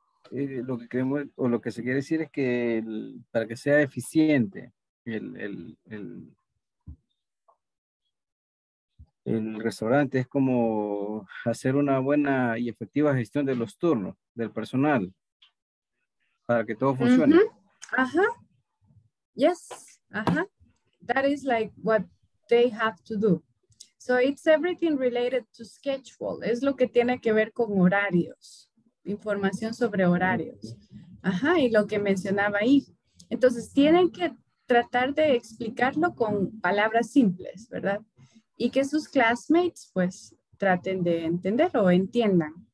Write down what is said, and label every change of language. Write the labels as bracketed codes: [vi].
[es] Lo que queremos, o lo que se quiere decir es que el, para que sea eficiente el restaurante es como hacer una buena y efectiva gestión de los turnos del personal para que todo funcione. Mm-hmm. Ajá. Yes. Ajá. [en] That is like what they have to do. So it's everything related to schedule. [es] Es lo que tiene que ver con horarios. Información sobre horarios. Ajá, y lo que mencionaba ahí. Entonces, tienen que tratar de explicarlo con palabras simples, ¿verdad? Y que sus classmates, pues, traten de entenderlo o entiendan.